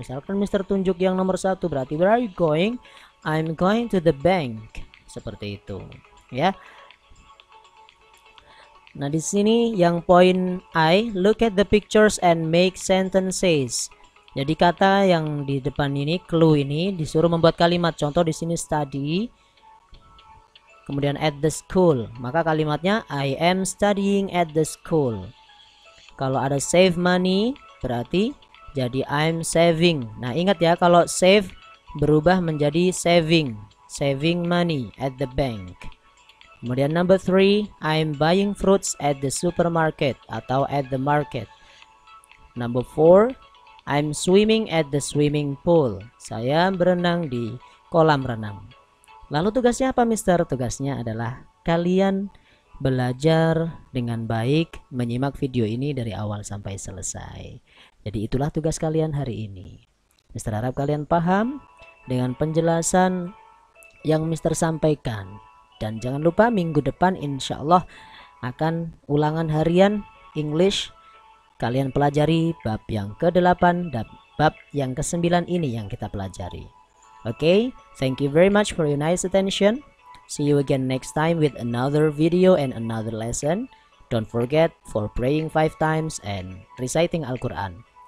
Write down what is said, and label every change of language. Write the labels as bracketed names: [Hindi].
[Indonesian] Misalkan Mister tunjuk yang nomor satu, berarti [English] where are you going? I'm going to the bank. [Indonesian] Seperti itu, ya. Nah, di sini yang poin I, [English] look at the pictures and make sentences. [Indonesian] Jadi kata yang di depan ini, clue ini, disuruh membuat kalimat. Contoh di sini study, kemudian [English] at the school, [Indonesian] maka kalimatnya [English] I am studying at the school. [Indonesian] Kalau ada save money, berarti jadi [English] I'm saving. [Indonesian] Nah, ingat ya, kalau save berubah menjadi saving, [English] saving money at the bank. [Indonesian] Kemudian [English] number three, I'm buying fruits at the supermarket [Indonesian] atau [English] at the market. Number four, I'm swimming at the swimming pool. [Indonesian] Saya berenang di kolam renang. Lalu tugasnya apa, Mister? Tugasnya adalah kalian belajar dengan baik, menyimak video ini dari awal sampai selesai. Jadi itulah tugas kalian hari ini. Mister harap kalian paham dengan penjelasan yang Mister sampaikan. Dan jangan lupa minggu depan insya Allah akan ulangan harian English. Kalian pelajari bab yang ke-8 dan bab yang ke-9 ini yang kita pelajari. [English] Okay, thank you very much for your nice attention. See you again next time with another video and another lesson. Don't forget for praying 5 times and reciting Al-Quran.